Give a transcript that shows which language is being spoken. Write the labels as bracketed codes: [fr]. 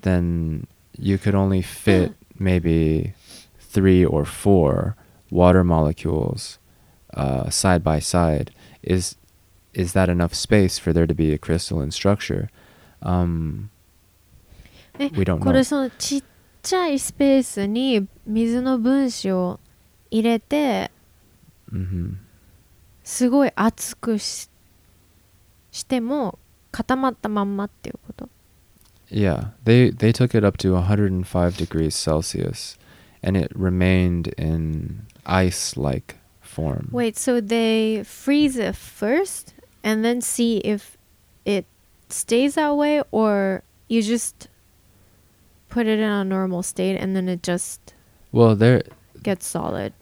[en] Then you could only fit maybe 3 or 4 water molecules side by side. Is that enough space for there to be a crystalline structure? We don't know. [ja] これちっちゃいスペースに水の分子を入れて、 mm-hmm. すごい熱くしても固まったまんまっていうこと。 [en] Yeah, they took it up to 105 degrees Celsius, and it remained in ice-like form. Wait, so they freeze it first, and then see if it stays that way, or you just put it in a normal state, and then it just gets solid?